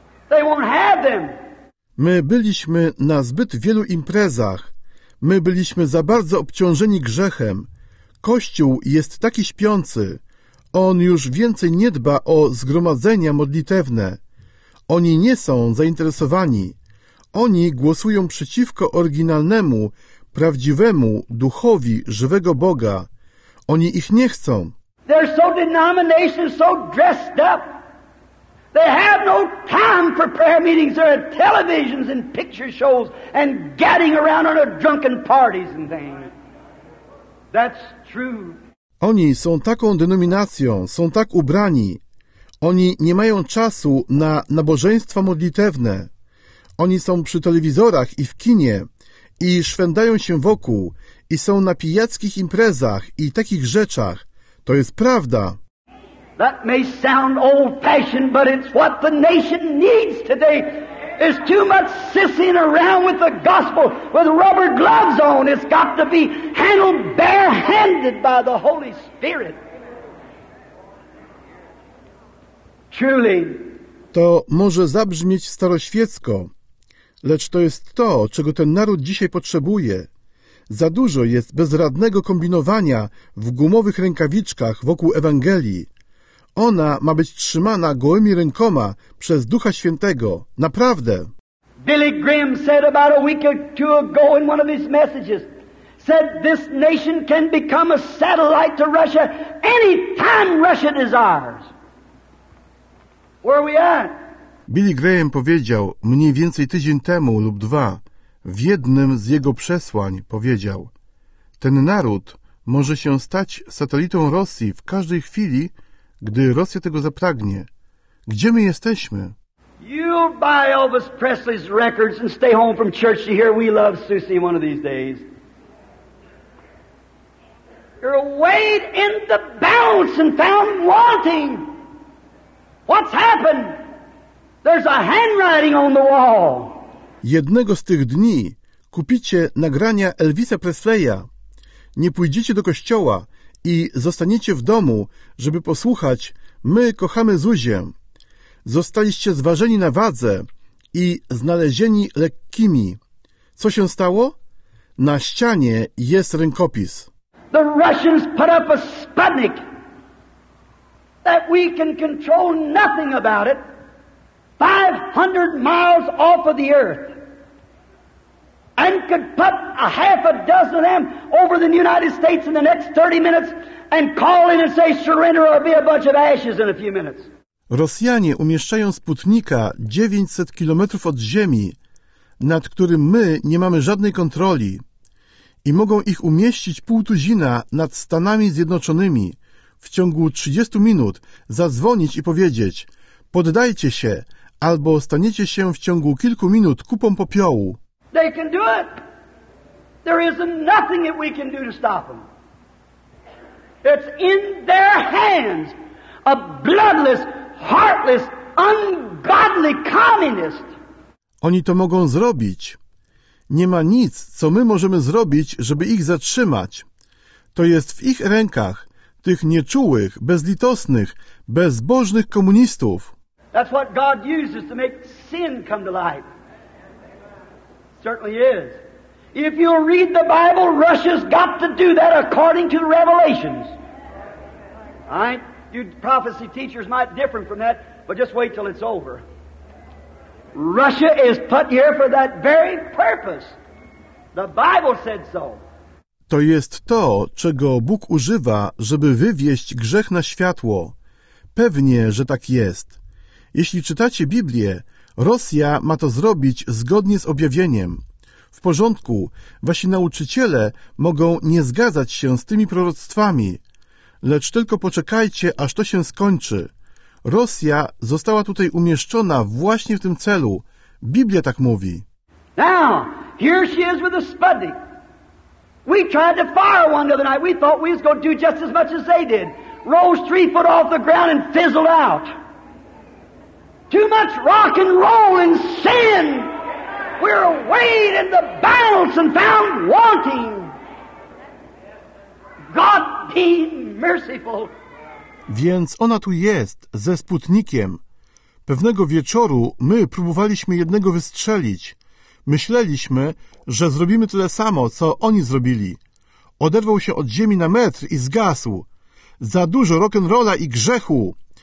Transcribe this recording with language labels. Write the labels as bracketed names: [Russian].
[English] They won't have them. [Polish] My byliśmy na zbyt wielu imprezach. My byliśmy za bardzo obciążeni grzechem. Kościół jest taki śpiący. On już więcej nie dba o zgromadzenia modlitewne. Oni nie są zainteresowani. Oni głosują przeciwko oryginalnemu, prawdziwemu duchowi żywego Boga. Oni ich nie chcą. [English] They're so denominational, so dressed up. They have no time for prayer meetings. There are televisions and picture shows and gadding around on a drunken parties and things. That's true. [Polish] Oni są taką denominacją, są tak ubrani. Oni nie mają czasu na nabożeństwa modlitewne. Oni są przy telewizorach i w kinie i szwędają się wokół i są na pijackich imprezach i takich rzeczach. To jest prawda. [English] That may sound old-fashioned, but it's what the nation needs today. It's too much sissying around with the gospel with rubber gloves on. It's got to be handled bare-handed by the Holy Spirit. Truly. [Polish] To może zabrzmieć staroświecko, lecz to jest to, czego ten naród dzisiaj potrzebuje. Za dużo jest bezradnego kombinowania w gumowych rękawiczkach wokół Ewangelii. Ona ma być trzymana gołymi rękoma przez Ducha Świętego. Naprawdę. [English] Billy Graham said about a week or two ago in one of his messages, said this nation can become a satellite to Russia any time Russia desires. Where are we at? [Polish] Billy Graham powiedział mniej więcej tydzień temu lub dwa, w jednym z jego przesłań powiedział, ten naród może się stać satelitą Rosji w każdej chwili, gdy Rosja tego zapragnie. Gdzie my jesteśmy? [English] You'll buy Elvis Presley's records and stay home from church to hear We Love Susie one of these days. You're weighed in the balance and found wanting. What's happened? There's a handwriting on the wall. [Polish] Jednego z tych dni kupicie nagrania Elvisa Presleya. Nie pójdziecie do kościoła i zostaniecie w domu, żeby posłuchać My kochamy Zuzię. Zostaliście zważeni na wadze i znalezieni lekkimi. Co się stało? Na ścianie jest rękopis. [English] The Russians put up a Sputnik that we can control nothing about it. 500 miles off of the earth. And could put a half a dozen of them over the United States in the next 30 minutes and call in and say surrender or be a bunch of ashes in a few minutes. [Polish] Rosjanie umieszczają Sputnika 900 kilometrów od Ziemi, nad którym my nie mamy żadnej kontroli. I mogą ich umieścić pół tuzina nad Stanami Zjednoczonymi. W ciągu 30 minut zadzwonić i powiedzieć, poddajcie się, albo staniecie się w ciągu kilku minut kupą popiołu. [English] They can do it. There is nothing that we can do to stop them. It's in their hands. A bloodless, heartless, ungodly communist. [Polish] Oni to mogą zrobić. Nie ma nic, co my możemy zrobić, żeby ich zatrzymać. To jest w ich rękach, tych nieczułych, bezlitosnych, bezbożnych komunistów. [English] That's what God uses to make sin come to life. Certainly is. If you'll read the Bible, Russia's got to do that according to the revelations. All right? You prophecy teachers might differ from that, but just wait till it's over. Russia is put here for that very purpose. The Bible said so. [Polish] To jest to, czego Bóg używa, żeby wywieść grzech na światło. Pewnie, że tak jest. Jeśli czytacie Biblię, Rosja ma to zrobić zgodnie z objawieniem. W porządku, wasi nauczyciele mogą nie zgadzać się z tymi proroctwami. Lecz tylko poczekajcie, aż to się skończy. Rosja została tutaj umieszczona właśnie w tym celu. Biblia tak mówi. [English] Now, here she is with a Sputnik. We tried to fire one the other night. We thought we was going to do just as much as they did. Rose 3 feet off the ground and fizzled out. Too much rock and roll and sin. We're weighed in the balance and found wanting. God be merciful. [Polish] Więc ona tu jest ze Sputnikiem. Pewnego wieczoru my próbowaliśmy jednego wystrzelić. Myśleliśmy, że zrobimy tyle samo, co oni zrobili. Oderwał się od ziemi na metr i zgasł. Za dużo rock'n'rolla i grzechu.